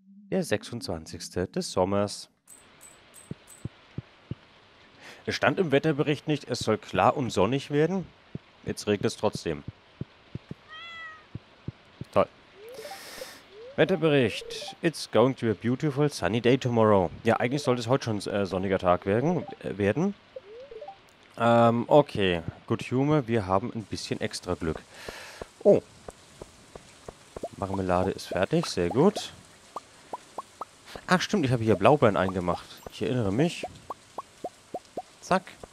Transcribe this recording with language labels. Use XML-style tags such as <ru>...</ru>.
<de>Der 26. des Sommers. Es stand im Wetterbericht nicht, es soll klar und sonnig werden. Jetzt regnet es trotzdem. Toll. Wetterbericht.</de> <en>It's going to be a beautiful sunny day tomorrow.</en> <de>Ja, eigentlich sollte es heute schon sonniger Tag werden. Okay.</de> <en>Good humor.</en> <de>Wir haben ein bisschen extra Glück. Oh. Marmelade ist fertig. Sehr gut. Ach stimmt, ich habe hier Blaubeeren eingemacht. Ich erinnere mich. Zack.</de>